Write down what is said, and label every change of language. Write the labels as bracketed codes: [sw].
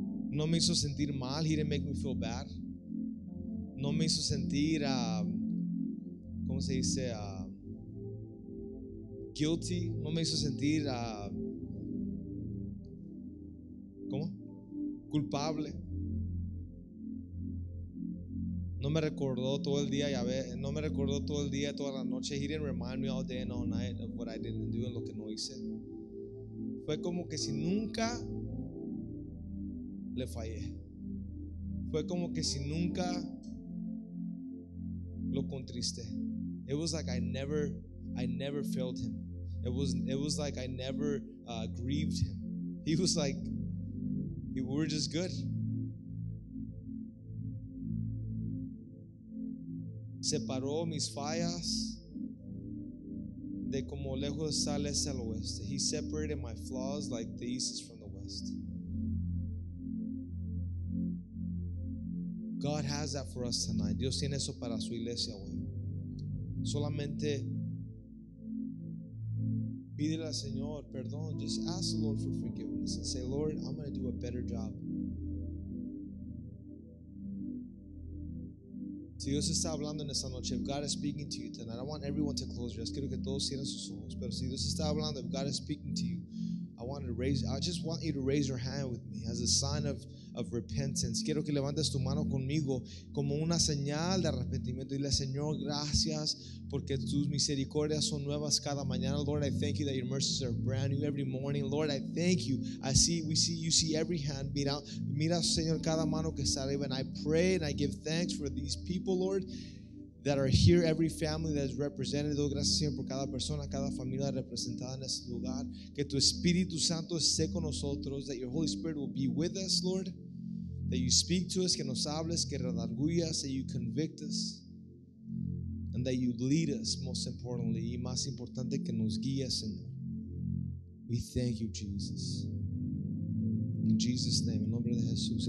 [es] No me hizo sentir mal. [en] He didn't make me feel bad. [es] No me hizo sentir, ¿cómo se dice? Guilty. No me hizo sentir, ¿cómo? Culpable. No me recordó todo el día, ya ve. No me recordó todo el día, toda la noche. [en] He didn't remind me all day and all night of what I didn't do and [es] lo que no hice. Fue como que si nunca le fallé. Fue como que si nunca lo contristé. [en] It was like I never failed him. It was like I never grieved him. He was like, we were just good. [es] Separó mis fallas de como lejos está el este al oeste. [en] He separated my flaws like the east is from the west. God has that for us tonight. [es] Dios tiene eso para su iglesia hoy. Solamente pídele al Señor perdón. [en] Just ask the Lord for forgiveness and say, Lord, I'm going to do a better job. [es] Si Dios está hablando en esta noche, [en] if God is speaking to you tonight, I want everyone to close your eyes. [es] Quiero que todos cierren sus ojos. Pero si Dios está hablando, [en] if God is speaking to you, I just want you to raise your hand with me as a sign of repentance. [es] Quiero que levantes tu mano conmigo como una señal de arrepentimiento. Dile, Señor, gracias porque tus misericordias son nuevas cada mañana. [en] Lord, I thank you that your mercies are brand new every morning. Lord, I thank you. You see every hand. [es] Mira, Señor, cada mano que está arriba. [en] And I pray and I give thanks for these people, Lord, that are here, every family that is represented. [es] Doy gracias, Señor, por cada persona, cada familia representada en este lugar. Que tu Espíritu Santo esté con nosotros. [en] That your Holy Spirit will be with us, Lord. That you speak to us, [es] que nos hables, que redargullas, [en] that you convict us. And that you lead us, most importantly. [es] Y más importante, que nos guíes, Señor. [en] We thank you, Jesus. In Jesus' name, [es] en nombre de Jesús.